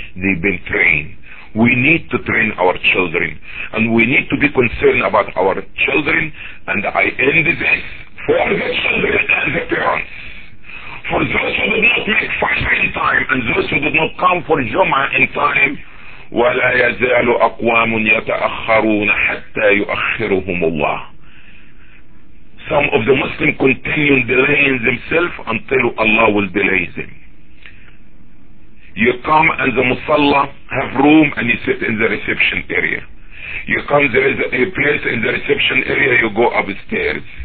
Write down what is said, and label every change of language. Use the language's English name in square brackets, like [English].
[English] They've been trained. We need to train our children, and we need to be concerned about our children, and I end this. For the children and the parents, for those who did not make fasting time and those who did not not come for Jum'ah in time. [Arabic] ولا يزال أقوام يتأخرون حتى يؤخرهم الله. [English] Some of the Muslims continue delaying themselves until Allah will delay them. You come and the Musalla have room and you sit in the reception area. You come, there is a place in the reception area, you go upstairs.